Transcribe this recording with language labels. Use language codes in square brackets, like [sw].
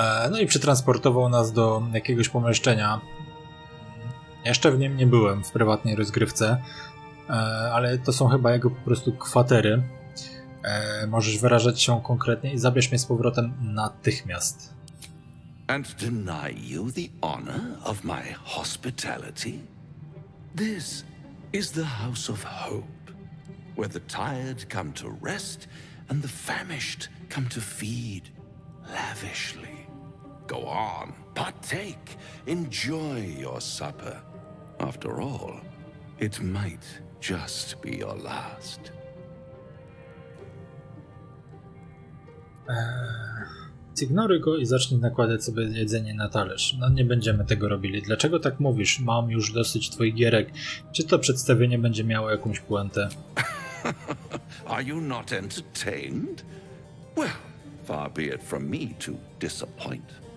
[pl] No i przetransportował nas do jakiegoś pomieszczenia. Jeszcze w nim nie byłem w prywatnej rozgrywce, ale to są chyba jego po prostu kwatery. Możesz wyrażać się konkretnie i zabierz mnie z powrotem natychmiast. [en] And deny you the honor of my hospitality? This is the House of Hope, where the tired come to rest and the famished come to feed lavishly. Go on, partake, enjoy your supper. After all, it might just be your last. [pl] Zignoruj go i zacznij nakładać sobie jedzenie na talerz. No nie będziemy tego robili. Dlaczego tak mówisz? Mam już dosyć twoich gierek. Czy to przedstawienie będzie miało jakąś puentę? [en] Are you not entertained? Well, far be it from me to disappoint.